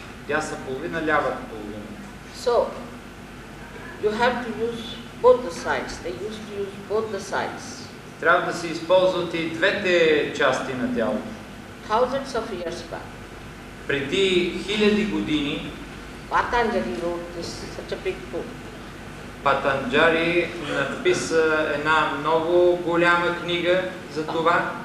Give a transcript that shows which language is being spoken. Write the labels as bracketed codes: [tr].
[bg] Дясна половина, лявата половина. [en] So you have to use both the sides. They used to use both the sides. [bg] Трябва да се използват и двете части на тялото. [en] Thousands of years back. [bg] Преди хиляди години. [en] Патанджари wrote this such a big book. [bg] Патанджари написа една много голяма книга за това.